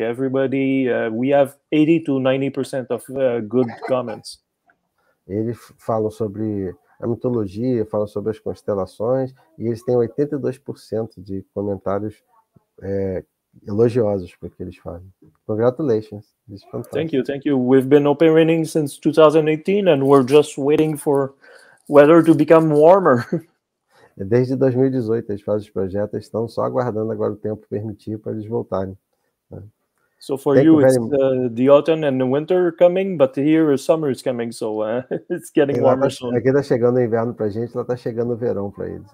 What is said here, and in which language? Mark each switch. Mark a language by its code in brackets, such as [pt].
[en] Everybody, we have 80 to 90% of good comments. [pt] Eles falam sobre a mitologia, falam sobre as constelações, e eles têm 82% de comentários elogiosos para o que eles fazem. [en] Congratulations. It's fantastic. Thank you, thank you. We've been open raining since 2018 and we're just waiting for weather to become warmer. [pt] Desde 2018 eles fazem os projetos, estão só aguardando agora o tempo permitir para eles voltarem. [en] So for you, it's the autumn and the winter coming, but here summer is coming, so it's getting warmer soon. [pt] Aqui tá chegando o inverno pra gente, lá tá chegando o verão pra eles.